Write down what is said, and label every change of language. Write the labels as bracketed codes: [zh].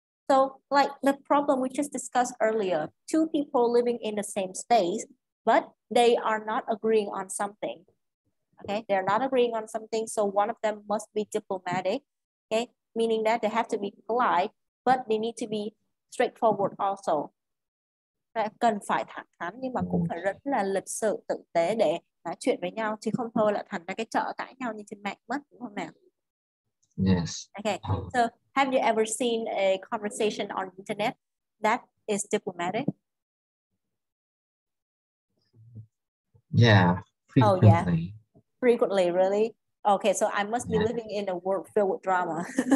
[en] So like the problem we just discussed earlier, two people living in the same space, but they are not agreeing on something. Okay, they're not agreeing on something. So one of them must be diplomatic. Okay, meaning that they have to be polite, but they need to be straightforward also. [vi] Cần phải thẳng thắn nhưng mà cũng phải rất là lịch sự tử tế để nói chuyện với nhau chứ không thôi là thành ra cái chợ cãi nhau như trên mạng mất đúng không nào? [en] Yes. Okay. So have you ever seen a conversation on internet that is diplomatic? Yeah. Oh yeah. Frequently, really? Okay. So I must be living in a world filled with drama.